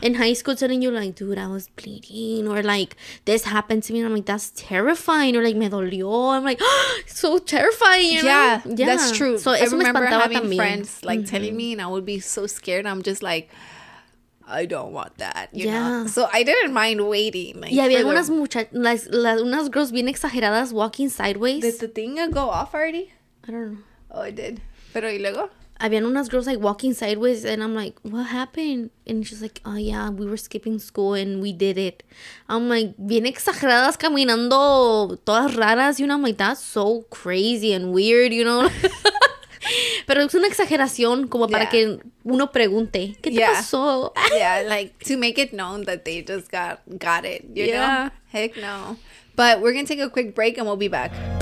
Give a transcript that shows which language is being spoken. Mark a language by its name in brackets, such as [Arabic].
[English] In high school telling you like, dude, I was bleeding. Or like, this happened to me. And I'm like, that's terrifying. Or like, [Spanish] me dolió. [English] I'm like, oh, so terrifying. Yeah, that's true. So I remember having friends like telling me and I would be so scared. I'm just like, I don't want that, you know? So I didn't mind waiting. Like, [Spanish] yeah, había unas unas girls bien exageradas [English] walking sideways. Did the thing go off already? I don't know. Oh, it did. [Spanish] Pero ¿y luego? Había unas [English] girls like walking sideways and I'm like, what happened? And she's like, oh yeah, we were skipping school and we did it. I'm like, [Spanish] bien exageradas caminando todas raras, [English] you know? I'm like, that's so crazy and weird, you know? [Spanish] Pero es una exageración como para que uno pregunte, ¿qué te pasó? [English] Yeah, like, to make it known that they just got it, you know? Heck no. But we're going to take a quick break and we'll be back.